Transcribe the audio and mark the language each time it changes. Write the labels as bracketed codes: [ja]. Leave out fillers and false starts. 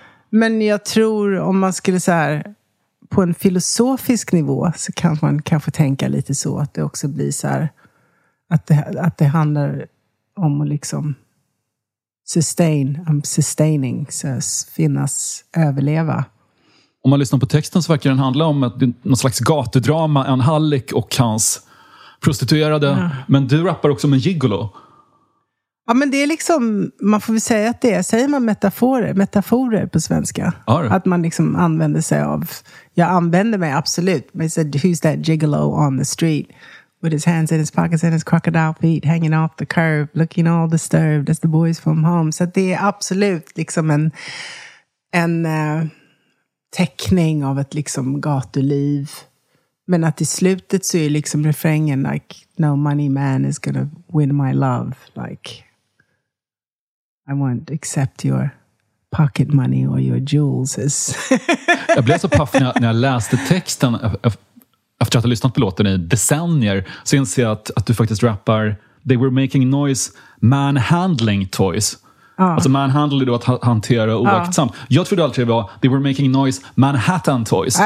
[sv] Men jag tror om man skulle så här, på en filosofisk nivå, så kan man kanske tänka lite så att det också blir så här, att det handlar om att liksom [en] sustain, I'm sustaining, [sv] så finnas, överleva. Om man lyssnar på texten så verkar den handla om någon slags gatudrama, en hallick och hans prostituerade, ja. Men du rappar också om en gigolo. Ja, men det är liksom, man får väl säga att det är, säger man metaforer på svenska? Arr. Att man liksom använder sig av, jag använder mig absolut, men [en] said, who's that gigolo on the street with his hands in his pockets and his crocodile feet hanging off the curb, looking all disturbed as the boys from home. [sv] Så det är absolut liksom en teckning av ett liksom gatuliv. Men att i slutet så är liksom refrängen [en] like, no money man is gonna win my love, like... I won't accept your pocket money or your jewels. [sv] Jag blev så paff när jag läste texten efter att ha lyssnat på låten i decennier, så inser jag att du faktiskt rappar [en] they were making noise manhandling toys. Ah. [sv] Alltså manhandle är då att hantera oaktsamt. Ah. Jag trodde alltid det var [en] they were making noise Manhattan toys.